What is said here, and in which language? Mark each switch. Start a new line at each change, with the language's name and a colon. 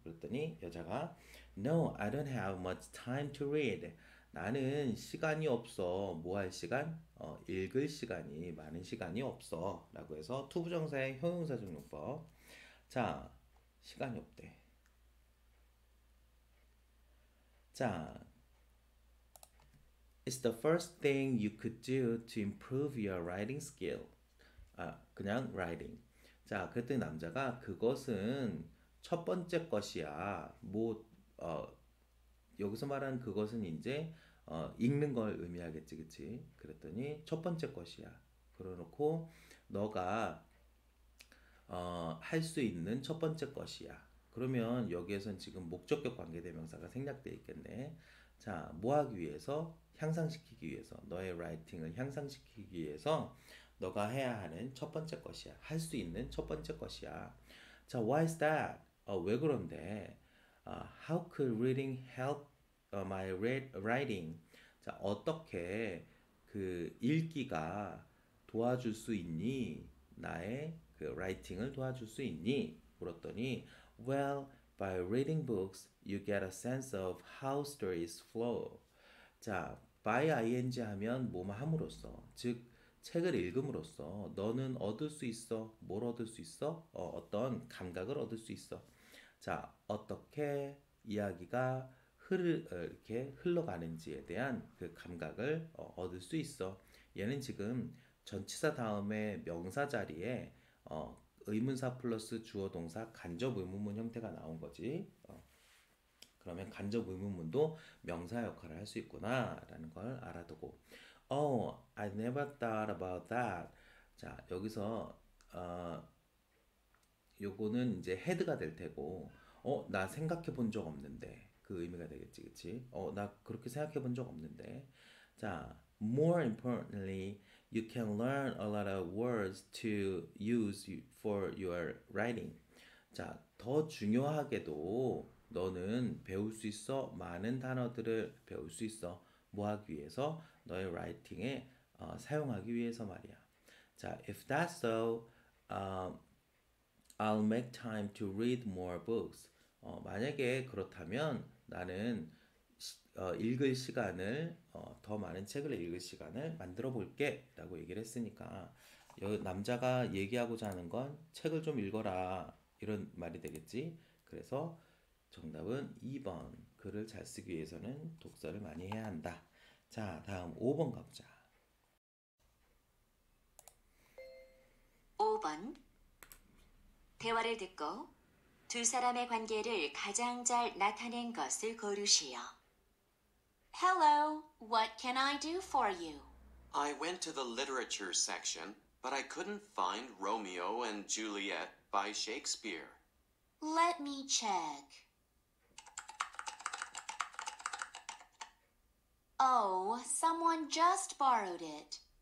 Korean: 그랬더니 여자가,
English: No, I don't have much time to read.
Korean: 나는 시간이 없어. 뭐할 시간? 읽을 시간이, 많은 시간이 없어. 라고 해서 to 부정사의 형용사 적용법. 자, 시간이 없대.
English: 자, It's the first thing you could do to improve your writing skill.
Korean: 그냥 writing. 자, 그랬더니 남자가 그것은 첫 번째 것이야. 뭐, 여기서 말하는 그것은 이제 읽는 걸 의미하겠지, 그치? 그랬더니 첫 번째 것이야. 그러놓고 너가 할수 있는 첫 번째 것이야. 그러면서 그러면 여기에선 지금 목적격 관계대명사가 생략되어 있겠네. 자, 뭐 하기 위해서? 향상시키기 위해서. 너의 라이팅을 향상시키기 위해서 너가 해야 하는 첫 번째 것이야. 할수 있는 첫 번째 것이야.
English: 자, why is that?
Korean: 왜 그런데?
English: How could reading help my writing?
Korean: 자, 어떻게 그 읽기가 도와줄 수 있니? 나의 그 라이팅을 도와줄 수 있니? 물었더니,
English: Well, by reading books, you get a sense of how stories flow.
Korean: 자, by ing 하면 뭐뭐 함으로써, 즉 책을 읽음으로써 너는 얻을 수 있어. 뭘 얻을 수 있어? 어떤 감각을 얻을 수 있어. 자, 어떻게 이야기가 이렇게 흘러가는지에 대한 그 감각을 얻을 수 있어. 얘는 지금 전치사 다음에 명사 자리에 의문사 플러스 주어 동사 간접 의문문 형태가 나온 거지. 그러면 간접 의문문도 명사 역할을 할수 있구나라는 걸 알아두고.
English: Oh, I never thought about that.
Korean: 자, 여기서 요거는 이제 헤드가 될 테고. 나 생각해 본적 없는데. 그 의미가 되겠지, 그치? 나 그렇게 생각해 본적 없는데.
English: 자, more importantly, you can learn a lot of words to use for your writing.
Korean: 자, 더 중요하게도 너는 배울 수 있어. 많은 단어들을 배울 수 있어. 뭐 하기 위해서? 너의 라이팅에 사용하기 위해서 말이야. 자, if that's so, I'll make time to read more books. 만약에 그렇다면 나는 읽을 시간을 더 많은 책을 읽을 시간을 만들어 볼게라고 얘기를 했으니까 남자가 얘기하고자 하는 건 책을 좀 읽어라 이런 말이 되겠지. 그래서 정답은 2번. 글을 잘 쓰기 위해서는 독서를 많이 해야 한다. 자, 다음 5번 가보자. 5번. 대화를 듣고 두 사람의 관계를 가장 잘 나타낸 것을 고르시오.
English: Hello, what can I do for you? I went to the literature section, but I couldn't find Romeo and Juliet by Shakespeare. Let me check. Oh, someone just borrowed it.